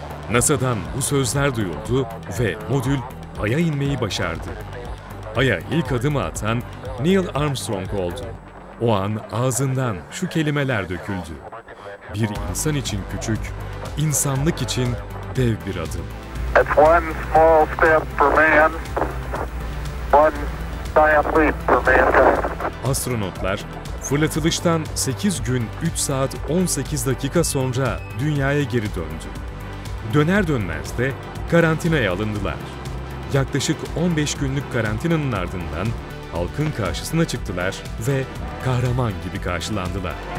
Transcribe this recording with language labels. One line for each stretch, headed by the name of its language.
Turkish: NASA'dan bu sözler duyuldu ve modül Ay'a inmeyi başardı. Ay'a ilk adımı atan Neil Armstrong oldu. O an ağzından şu kelimeler döküldü. Bir insan için küçük, insanlık için dev bir adım.
English: It's one small step for man, one giant leap for mankind.
Turkish: Astronotlar fırlatılıştan 8 gün 3 saat 18 dakika sonra dünyaya geri döndü. Döner dönmez de karantinaya alındılar. Yaklaşık 15 günlük karantinanın ardından halkın karşısına çıktılar ve kahraman gibi karşılandılar.